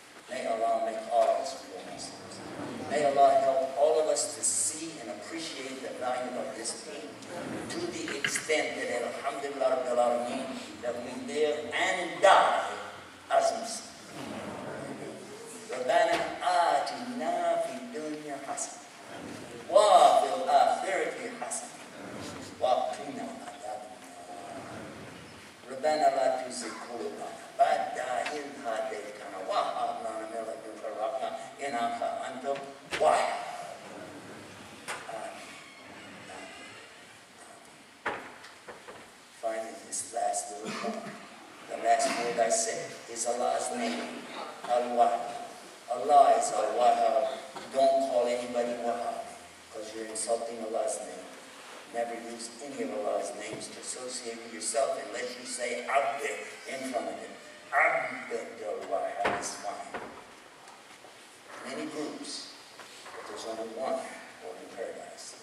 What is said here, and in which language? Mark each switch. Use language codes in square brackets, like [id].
[en] May Allah make all of us real Muslims. May Allah help all of us to see and appreciate the value of this deen to the extent that [ar] alhamdulillah rabbil alameen, [en] that we live and die as Muslims. [ar] ربنا آتنا في الدنيا حسنة وفي الآخرة حسنة وقنا عذاب النار ربنا لا تزغ قلوبنا بعد إذ هديتنا وهب لنا من لدنك رحمة إنك أنت الوهاب [en] Finally, this last word, the last word I said, is Allah's name, Al-Wahab. Allah is our Wahab. Don't call anybody Wahab, because you're insulting Allah's name. Never use any of Allah's names to associate with yourself unless you say Abd in front of it. Abd al-Wahab is fine. Many groups, but there's only one born in paradise.